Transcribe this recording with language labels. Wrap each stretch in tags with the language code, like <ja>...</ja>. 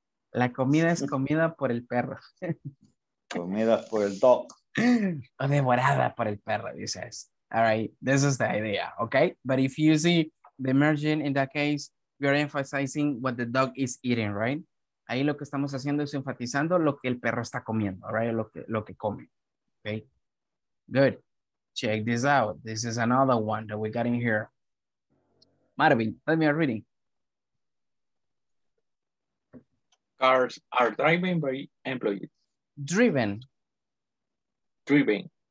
<es>La comida es comida por el perro. Comida por el dog. O devorada por el perro, dices.</es> <en>All right, this is the idea, okay? But if you see the merging in that case, you're emphasizing what the dog is eating, right?</en> <es>Ahí lo que estamos haciendo es enfatizando lo que el perro está comiendo, right? Lo que come, okay?</es> <en>Good. Check this out. This is another one that we got in here. Marvin, let me read it. Cars are driven by employees. Driven. Okay.</en>